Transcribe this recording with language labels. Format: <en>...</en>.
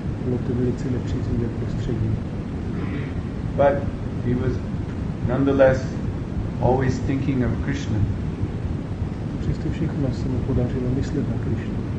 <cs>Bylo to velice nepříznivé prostředí.</cs> <en>But he was nonetheless always thinking of Krishna.</en> <cs>Přesto všechno se mu podařilo myslet na Krišnu.</cs>